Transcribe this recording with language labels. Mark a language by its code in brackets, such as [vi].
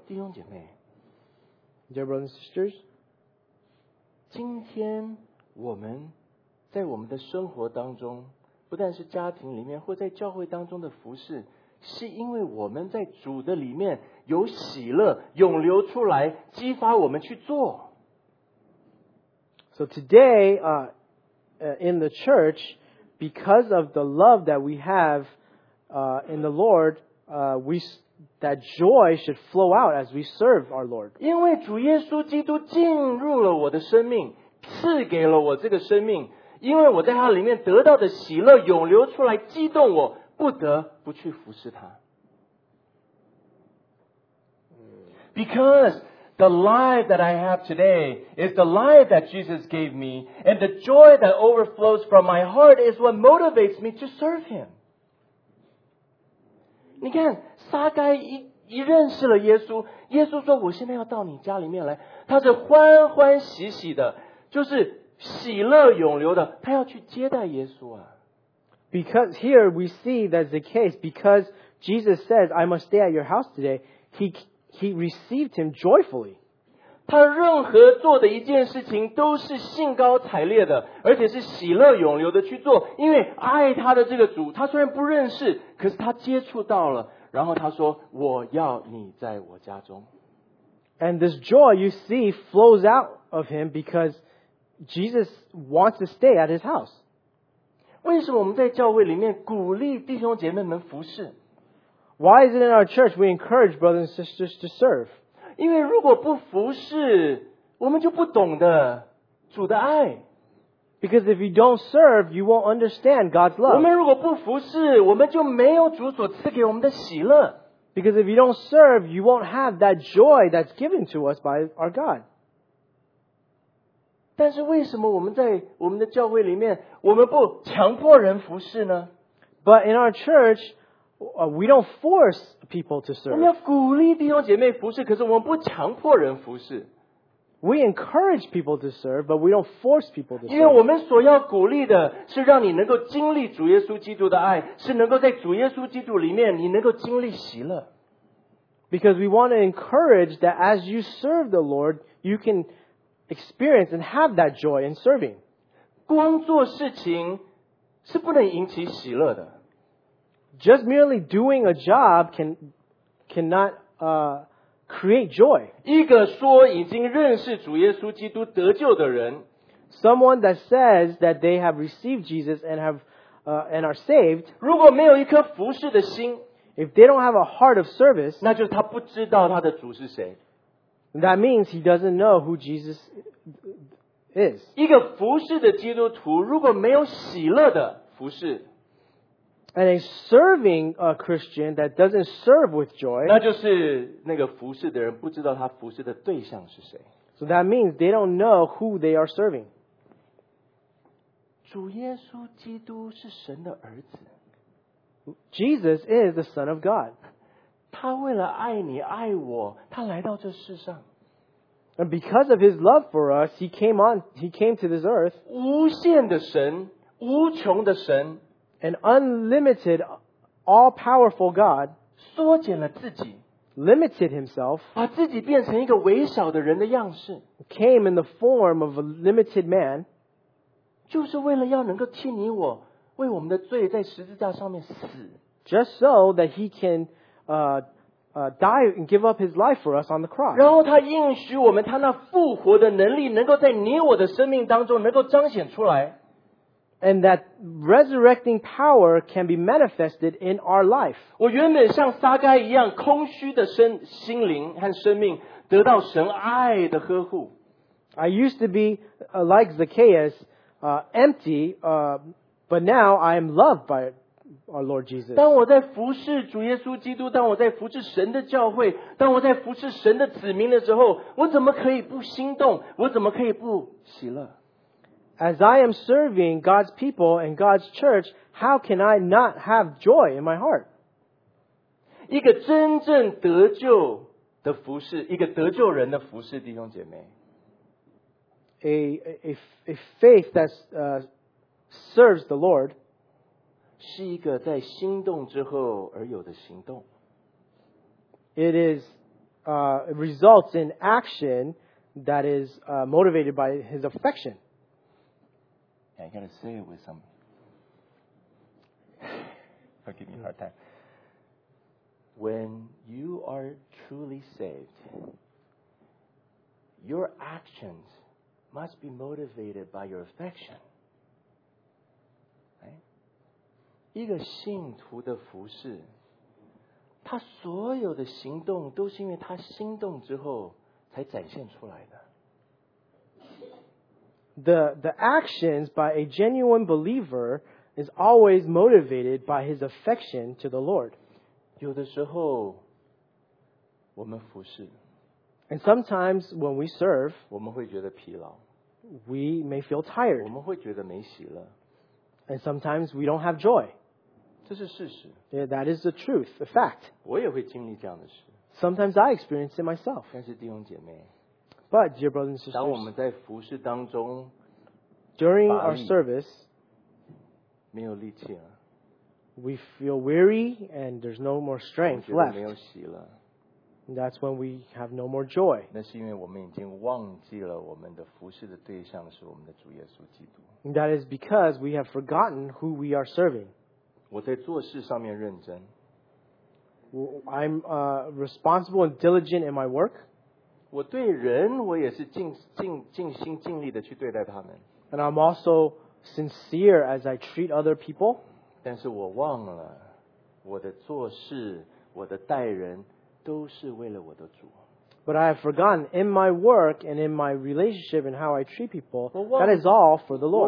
[zh] 弟兄姐妹 [en] Dear brothers and sisters, [zh] 今天我们在我们的生活当中，不但是家庭里面或在教会当中的服事，是因为我们在主的里面有喜乐涌流出来，激发我们去做。 [en] So today, in the church, because of the love that we have, in the Lord, that joy should flow out as we serve our Lord. [zh] 因为主耶稣基督进入了我的生命，赐给了我这个生命，因为我在他里面得到的喜乐涌流出来，激动我。不得不去服侍他。 [en] Because the life that I have today is the life that Jesus gave me, and the joy that overflows from my heart is what motivates me to serve Him. [zh] 你看，撒该一认识了耶稣，耶稣说：“我现在要到你家里面来。” 他是欢欢喜喜的，就是喜乐涌流的，他要去接待耶稣啊。 [en] Because here we see that the case, because Jesus says, I must stay at your house today, he received him joyfully. [zh] 他任何做的一件事情都是兴高采烈的，而且是喜乐涌流的去做，因为爱他的这个主，他虽然不认识，可是他接触到了，然后他说，我要你在我家中。 [en] And this joy you see flows out of him because Jesus wants to stay at his house. [zh] 为什么我们在教会里面鼓励弟兄姐妹们服事？ [en] Why is it in our church we encourage brothers and sisters to serve? [zh] 因为如果不服事，我们就不懂得主的爱。 [en] Because if you don't serve, you won't understand God's love. [zh] 我们如果不服事，我们就没有主所赐给我们的喜乐。 [en] Because if you don't serve, you won't have that joy that's given to us by our God. [zh] 但是为什么我们在我们的教会里面，我们不强迫人服事呢？ [en] But in our church, we don't force people to serve. [zh] 我们要鼓励弟兄姐妹服事，可是我们不强迫人服事。 [en] We encourage people to serve, but we don't force people to serve. [zh] 因为我们所要鼓励的是让你能够经历主耶稣基督的爱，是能够在主耶稣基督里面，你能够经历喜乐。 [en] Because we want to encourage that as you serve the Lord, you canExperience and have that joy in serving. [zh] 光做事情是不能引起喜乐的。 [en] Just merely doing a job cannot create joy. [zh] 一个说已经认识主耶稣基督得救的人， [en] someone that says that they have received Jesus and and are saved. [zh] 如果没有一颗服事的心， [en] if they don't have a heart of service, [zh] 那就是他不知道他的主是谁。 [en] That means he doesn't know who Jesus is. [zh] 一个服事的基督徒如果没有喜乐的服事， [en] And a serving a Christian that doesn't serve with joy. [zh] 那就是那个服侍的人不知道他服侍的对象是谁。 [en] So that means they don't know who they are serving. [zh] 主耶稣基督是神的儿子。 [en] Jesus is the Son of God. [zh] 他为了爱你爱我，他来到这世上。 [en] And because of his love for us, he came to this earth. [zh] 无限的神，无穷的神。 [en] An unlimited, all-powerful God [zh] 缩减了自己 [en] limited himself, [zh] 把自己变成一个微小的人的样式 [en] came in the form of a limited man, [zh] 就是为了要能够替你我为我们的罪在十字架上面死 [en] just so that he can die and give up his life for us on the cross. [zh] 然后他应许我们他那复活的能力能够在你我的生命当中能够彰显出来 [en] And that resurrecting power can be manifested in our life. [zh] 我原本像撒该一样空虚的身心灵和生命得到神爱的呵护。 [en] I used to be like Zacchaeus, empty, but now I am loved by our Lord Jesus. [zh] 当我在服侍主耶稣基督，当我在服侍神的教会，当我在服侍神的子民的时候，我怎么可以不心动？我怎么可以不喜乐？ [en] As I am serving God's people and God's church, how can I not have joy in my heart? [zh] 一个真正得救的服事，一个得救人的服事，弟兄姐妹。 [en] A faith that serves the Lord [zh] 是一个在心动之后而有的行动。 [en] It is results in action that is motivated by his affection. I gotta say it with some. Don't give me a hard time. When you are truly saved, your actions must be motivated by your affection. Right? [zh] 一个信徒的服事，他所有的行动都是因为他心动之后才展现出来的。 [en] The actions by a genuine believer is always motivated by his affection to the Lord. [zh] 有的时候我们服侍 [en] And sometimes when we serve, [zh] 我们会觉得疲劳 [en] We may feel tired. [zh] 我们会觉得没喜乐 [en] And sometimes we don't have joy. [zh] 这是事实 [en] Yeah, that is the truth, the fact. [zh] 我也会经历这样的事 [en] Sometimes I experience it myself. [zh] 但是弟兄姐妹 [en] But, dear brothers and sisters, [zh] 当我们在服事当中 [en] during our service, [zh] 没有力气了 [en] we feel weary and there's no more strength left. [zh] 没有喜乐 [en] That's when we have no more joy. [zh] 那是因为我们已经忘记了我们的服事的对象是我们的主耶稣基督 [en] That is because we have forgotten who we are serving. [zh] 我在做事上面认真 [en] I'm responsible and diligent in my work. [zh] 我对人，我也是尽心尽力的去对待他们。 [en] And I'm also sincere as I treat other people. [zh] 但是我忘了，我的做事，我的待人，都是为了我的主。 [en] But I have forgotten in my work and in my relationship and how I treat people, that is all for the Lord.